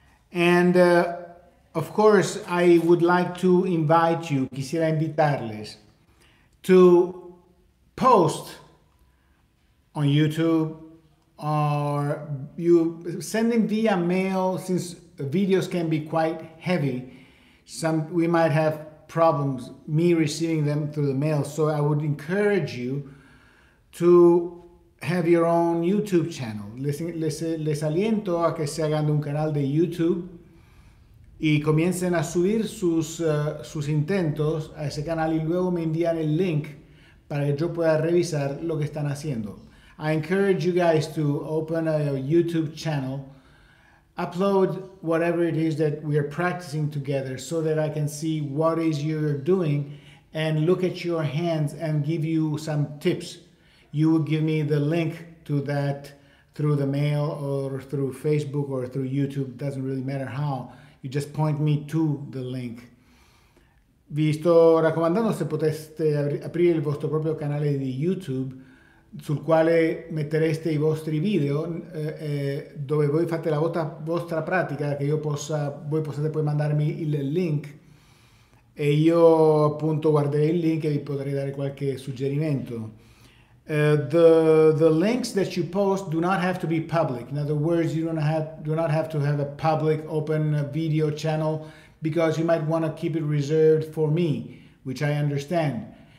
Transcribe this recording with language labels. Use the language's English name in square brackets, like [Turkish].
[English] And, of course, I would like to invite you, [Spanish] quisiera invitarles, [English] to post on YouTube, or you send them via mail, since videos can be quite heavy. Some we might have problems me receiving them through the mail, so I would encourage you to have your own YouTube channel. [Spanish] Les aliento a que se hagan un canal de YouTube y comiencen a subir sus intentos a ese canal y luego me envían el link para que yo pueda revisar lo que están haciendo. [English] I encourage you guys to open a YouTube channel, upload whatever it is that we are practicing together so that I can see what is you're doing and look at your hands and give you some tips. You will give me the link to that through the mail or through Facebook or through YouTube. Doesn't really matter how. You just point me to the link. [Italian] Vi sto raccomandando se poteste aprire il vostro proprio canale di YouTube sul quale mettereste i vostri video, dove voi fate la vostra pratica, che io possa, voi possiate poi mandarmi il link e io appunto guarderei il link e vi potrei dare qualche suggerimento. [English] The links that you post do not have to be public. In other words, you do not have to have a public open video channel, because you might want to keep it reserved for me, which I understand.